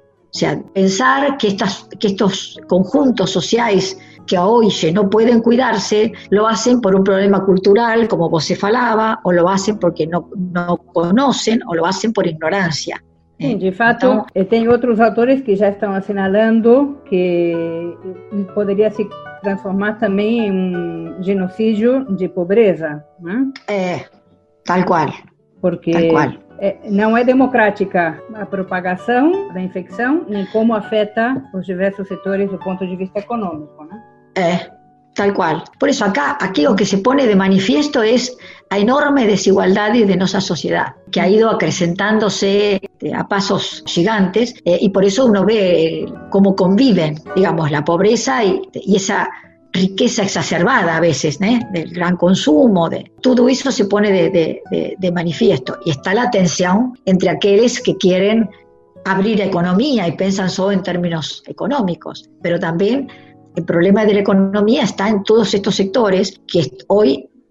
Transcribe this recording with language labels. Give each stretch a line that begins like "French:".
Spanish: O sea, pensar que estos conjuntos sociales que hoy no pueden cuidarse, lo hacen por un problema cultural, como vos se falaba, o lo hacen porque no conocen, o lo hacen por ignorancia. Sí,
Portuguese: de fato, tem
Spanish: otros autores que ya están asinalando que podría se transformar también en un genocidio de pobreza. Tal cual.
Portuguese: Porque não é democrática a propagação da infecção, nem como afeta os diversos setores do ponto de vista econômico, né? Tal qual. Por isso, aqui o que se põe de manifiesto é a enorme desigualdade de nossa sociedade, que ha ido acrescentando-se a passos gigantes, e por isso uno vê como conviven, digamos, a pobreza e essa riqueza exacerbada a veces, ¿no?
Spanish: Del gran consumo, de todo eso se pone de manifiesto. Y está la tensión entre aquellos que quieren abrir economía y piensan solo en términos económicos, pero también el problema de la economía está en todos estos sectores que hoy,